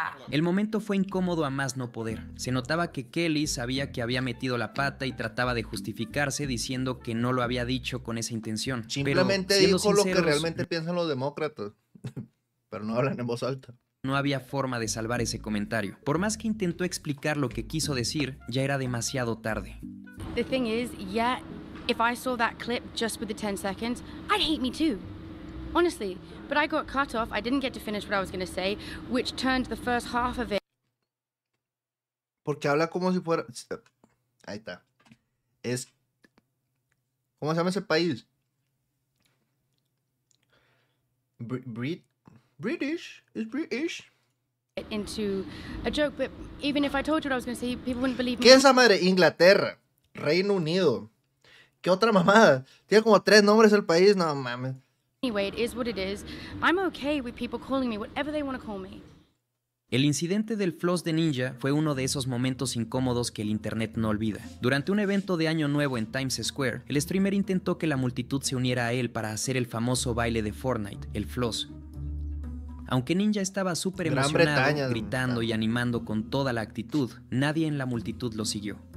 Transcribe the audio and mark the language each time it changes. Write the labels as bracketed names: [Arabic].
[Spanish] El momento fue incómodo a más no poder. Se notaba que Kelly sabía que había metido la pata y trataba de justificarse diciendo que no lo había dicho con esa intención. Simplemente pero, dijo sinceros, lo que realmente piensan los demócratas, pero no hablan en voz alta. No había forma de salvar ese comentario. Por más que intentó explicar lo que quiso decir, ya era demasiado tarde. [English] The thing is, yeah, if I saw that clip just with the 10 seconds, I'd hate me too. Honestly, but I got cut off. I didn't get to finish what I was going to say, which turned the first half of it. [Spanish] Porque habla como si fuera. Ahí está. Es. ¿Cómo se llama ese país? [English] British. Is British. Into a joke, but even if I told you what I was going to say, people wouldn't believe me. [Spanish] ¿Qué es esa madre? Inglaterra. Reino Unido. ¿Qué otra mamada? Tiene como tres nombres el país. No mames. [English] Anyway, it is what it is. I'm okay with people calling me whatever they want to call me. [Spanish] El incidente del Floss de Ninja fue uno de esos momentos incómodos que el internet no olvida. Durante un evento de Año Nuevo en Times Square, el streamer intentó que la multitud se uniera a él para hacer el famoso baile de Fortnite, el Floss. Aunque Ninja estaba súper emocionado, gritando y animando con toda la actitud, nadie en la multitud lo siguió.